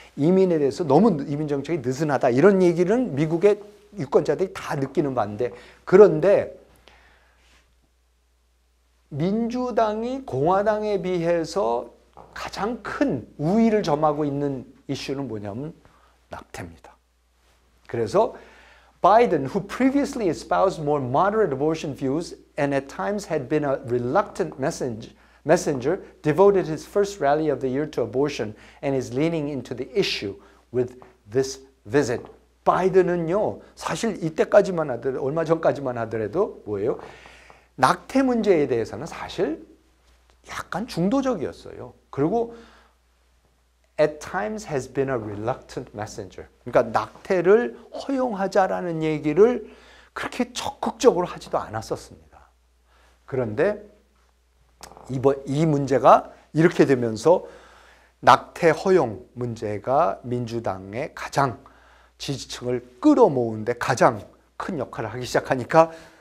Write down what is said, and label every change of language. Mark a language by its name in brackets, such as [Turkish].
[Korean] 이민에 대해서 너무 이민 정책이 느슨하다. 이런 얘기는 미국의 유권자들이 다 느끼는 반대. 그런데 민주당이 공화당에 비해서 가장 큰 우위를 점하고 있는 이슈는 뭐냐면 낙태입니다. 그래서 [English] Biden, who previously espoused more moderate abortion views and at times had been a reluctant messenger, devoted his first rally of the year to abortion and is leaning into the issue with this visit. [Korean] 바이든은요, 사실 이때까지만 하더라도, 얼마 전까지만 하더라도 뭐예요? 낙태 문제에 대해서는 사실 약간 중도적이었어요. 그리고 [English] at times has been a reluctant messenger. [Korean] 그러니까 낙태를 허용하자라는 얘기를 그렇게 적극적으로 하지도 않았었습니다. 그런데 이번 이 문제가 이렇게 되면서 낙태 허용 문제가 민주당의 가장 지지층을 끌어모으는 데 가장 큰 역할을 하기 시작하니까